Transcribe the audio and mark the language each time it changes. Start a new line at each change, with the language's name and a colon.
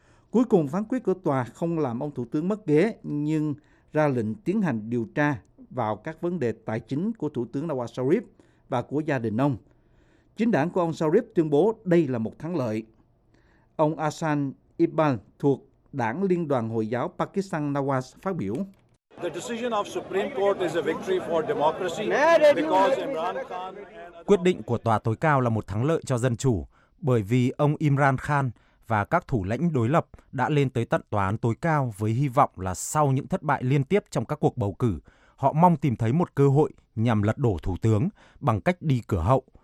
Vietnamese: Cuối cùng, phán quyết của tòa không làm ông thủ tướng mất ghế, nhưng ra lệnh tiến hành điều tra vào các vấn đề tài chính của thủ tướng Nawaz Sharif và của gia đình ông. Chính đảng của ông Sharif tuyên bố đây là một thắng lợi. Ông Ahsan Iqbal thuộc Đảng Liên đoàn Hồi giáo Pakistan Nawaz phát biểu:
English: The decision of Supreme Court is a victory for democracy because Imran Khan and...
Vietnamese: Quyết định của tòa tối cao là một thắng lợi cho dân chủ bởi vì ông Imran Khan và các thủ lãnh đối lập đã lên tới tận tòa án tối cao với hy vọng là sau những thất bại liên tiếp trong các cuộc bầu cử, họ mong tìm thấy một cơ hội nhằm lật đổ thủ tướng bằng cách đi cửa hậu.